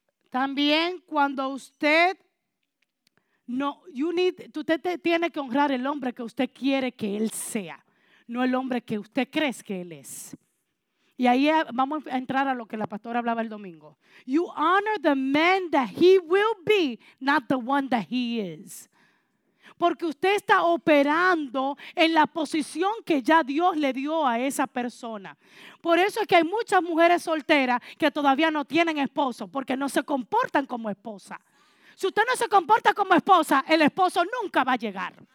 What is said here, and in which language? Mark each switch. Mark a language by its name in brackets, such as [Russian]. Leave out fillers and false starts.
[Spanish] También cuando usted... No, usted tiene que honrar el hombre que usted quiere que él sea, no el hombre que usted cree que él es. Y ahí vamos a entrar a lo que la pastora hablaba el domingo. [English] You honor the man that he will be, not the one that he is. [Spanish] Porque usted está operando en la posición que ya Dios le dio a esa persona. Por eso es que hay muchas mujeres solteras que todavía no tienen esposo, porque no se comportan como esposa. Si usted no se comporta como esposa, el esposo nunca va a llegar.